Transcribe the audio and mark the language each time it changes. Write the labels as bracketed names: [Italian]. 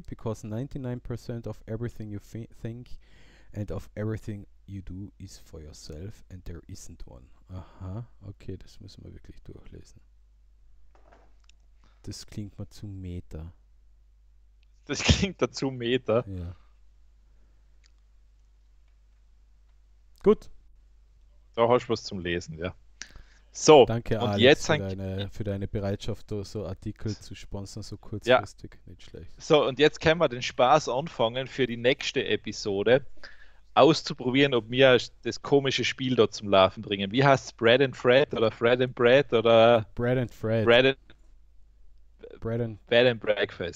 [English] Because 99% of everything you think and of everything you do is for yourself and there isn't one. [German] Aha, okay, das müssen wir wirklich durchlesen. Das klingt mal zu Meta. Das klingt dazu Meta. Ja. Gut. Da hast du was zum Lesen, ja. So, Danke, und Alex, jetzt ein. für deine Bereitschaft, da so Artikel zu sponsern, so Ja. kurzfristig. Nicht schlecht. So, und jetzt können wir den Spaß anfangen, für die nächste Episode auszuprobieren, ob wir das komische Spiel da zum Laufen bringen. Wie heißt es? Bread and Fred oder Fred and Bread oder Bread and Fred. Bread Bed and Breakfast,